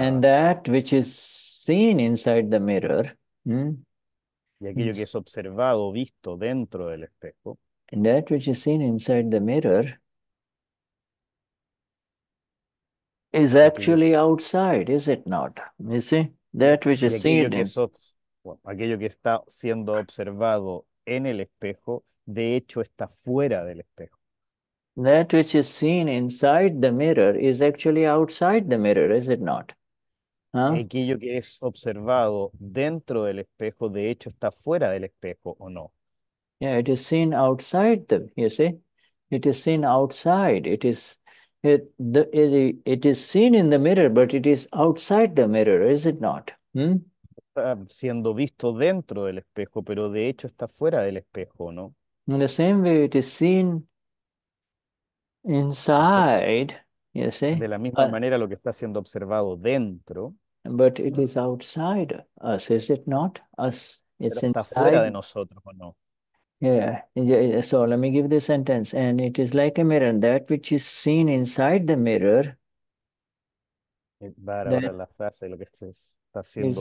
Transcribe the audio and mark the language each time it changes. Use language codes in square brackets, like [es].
[en] And that which is seen inside the mirror. [es] Y aquello que es observado, visto dentro del espejo. [en] And that which is seen inside the mirror is actually outside, is it not? You see? That which is seen [es] aquello que está siendo observado en el espejo, de hecho está fuera del espejo. [en] That which is seen inside the mirror is actually outside the mirror, is it not? Huh? [es] Aquello que es observado dentro del espejo, de hecho, está fuera del espejo, ¿o no? [en] Yeah, it is seen outside them, you see? It is seen outside. It is seen in the mirror, but it is outside the mirror, is it not? [es] Está siendo visto dentro del espejo, pero de hecho está fuera del espejo, ¿no? [en] In the same way, it is seen inside, you see? [es] De la misma manera, lo que está siendo observado dentro. [en] But it is outside us, is it not? Us, it's [es] está [en] inside. [es] Fuera de nosotros, ¿o no? [en] Yeah, so let me give the sentence. And it is like a mirror, that which is seen inside the mirror. [es] Ahora la frase, lo que está siendo